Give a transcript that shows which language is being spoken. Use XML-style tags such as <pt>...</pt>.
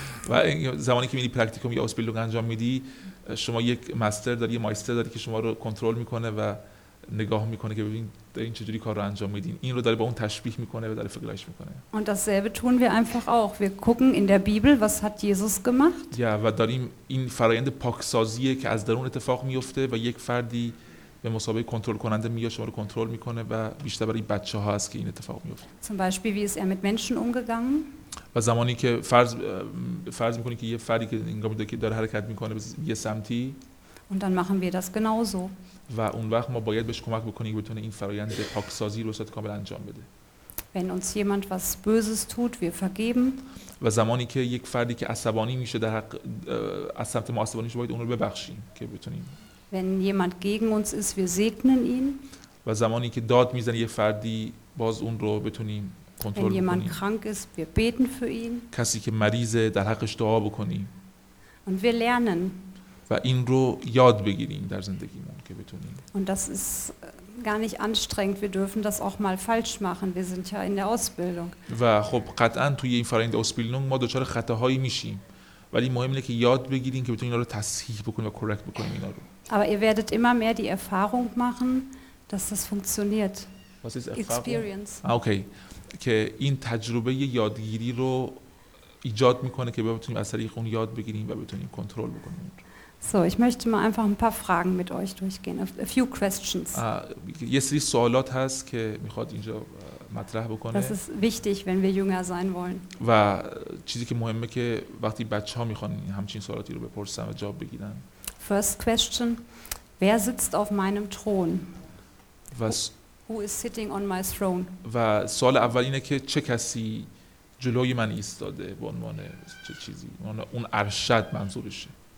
<fa>و زمانی که میری پرکتیکوم یا آسپیلندونگ انجام میدی، شما یک مستر داری، مایستر داری که شما رو کنترل میکنه و نگاه میکنه که ببین این چجوری کار رو انجام میدین. این رو داره با اون تشبیه میکنه و داره فکرش میکنه.</fa> <de>Und dasselbe tun wir einfach auch. Wir gucken in der Bibel, was hat Jesus gemacht?</de> <fa>Ja, و داریم این فرایند پاکسازیه که از درون اتفاق میفته و یک فردی به مسابقه کنترل کننده میاد شما رو کنترل میکنه و بیشتر برای بچه ها هست که این اتفاق میفته.</fa> <de>Zum Beispiel, wie ist er mit Menschen umgegangen?</de> <fa>و زمانی که فرض میکنی که یه فردی که انگار میده که داره حرکت میکنه به یه سمتی.</fa> <de>Und dann machen wir das genauso.</de> <fa>و اون وقت ما باید بهش کمک بکنیم که بتونه این فرایند پاکسازی رو کامل انجام بده.</fa> <de>Wenn uns jemand was Böses tut, wir vergeben.</de> <fa>و زمانی که یک فردی که عصبانی میشه در حق از سمت ما عصبانی میشه باید اون رو ببخشیم که بتونیم</fa> <de>Wenn jemand gegen uns ist, wir segnen ihn.</de> <fa>و زمانی که داد میزنه یه فردی باز اون رو بتونیم کنترل کنیم.</fa> <de>Wenn jemand krank ist, wir beten für ihn.</de> <fa>کسی که مریضه در حقش دعا بکنیم.</fa> <de>Und wir lernen.</de> <fa>و این رو یاد بگیریم در زندگیمون که بتونیم.</fa> <de>Und das ist gar nicht anstrengend, wir dürfen das auch mal falsch machen. Wir sind ja in der Ausbildung.</de> <fa>و خب قطعاً توی این فرآیند اسپیلنگ ما دچار خطاهایی میشیم. ولی مهم اینه که یاد بگیریم که بتونیم اینا رو تصحیح بکنیم و کرکت بکنیم اینا رو.</fa> <de>Aber ihr werdet immer mehr die Erfahrung machen, dass das funktioniert. Was ist Erfahrung? Experience. Okay.</de> <fa>که این تجربه یادگیری رو ایجاد میکنه که بتونیم از طریق اون یاد بگیریم و بتونیم کنترل بکنیم.</fa> <de>So, ich möchte mal einfach ein paar Fragen mit euch durchgehen.</de> <en>A few questions.</en> <fa>یه سری سوالات هست که میخواد اینجا مطرح بکنه.</fa> <de>Das ist wichtig, wenn wir jünger sein wollen.</de> <fa>و چیزی که مهمه که وقتی بچه‌ها میخوان همچین سوالاتی رو بپرسن و جواب بگیرن.</fa> <en>First question.</en> <de>Wer sitzt auf meinem Thron?</de> <en>Who is sitting on my throne?</en> <fa>و سوال اول اینه که چه کسی جلوی من ایستاده به عنوان چه چیزی؟ اون ارشد منظورشه.</fa>